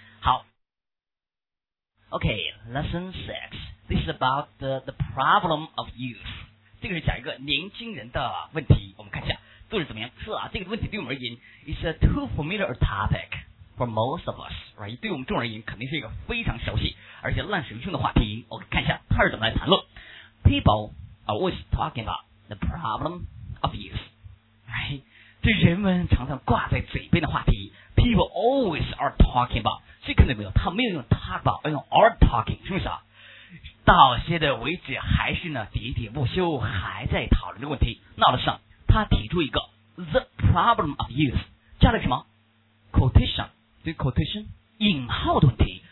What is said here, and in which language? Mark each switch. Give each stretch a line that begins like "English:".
English: 好Okay, lesson 6. This is about the problem of youth.
Chinese: 这个是讲一个年轻人的问题。我们看一下，都是怎么样？
English: 是啊，这个问题对我们而言，is a too familiar topic for most of us, right?
Chinese: 对我们众人而言，肯定是一个非常熟悉而且烂熟于胸的话题。我们看一下他是怎么来谈论。
English: People are always talking about the problem of youth, right?
Chinese: 这人们常常挂在嘴边的话题。 People always are talking about. 所以看到没有，他没有用 talk about， 而用 are talking，是不是啊？到现在为止，还是呢喋喋不休，还在讨论这个问题。那老师，他提出一个 the problem of youth，加了什么 quotation， 对 quotation 引号的问题。